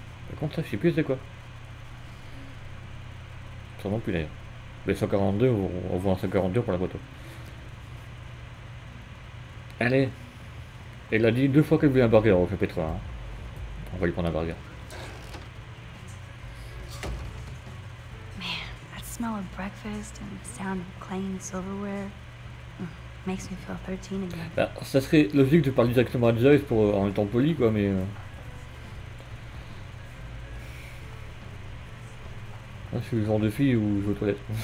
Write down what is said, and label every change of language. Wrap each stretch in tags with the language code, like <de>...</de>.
<fr>Par contre, ça, je sais plus c'est quoi. Ça non plus d'ailleurs. Mais 142, on voit un 142 pour la photo. Allez. Elle a dit deux fois qu'elle voulait un burger au chapitre 1. On va lui prendre un burger.</fr> <en>The smell of breakfast and the sound of clanging silverware makes me feel 13 again.</en> <fr>Bah, ça serait logique de parler directement à Joyce pour en étant poli, quoi, mais. Là, je suis le genre de fille où je vais aux toilettes.</fr>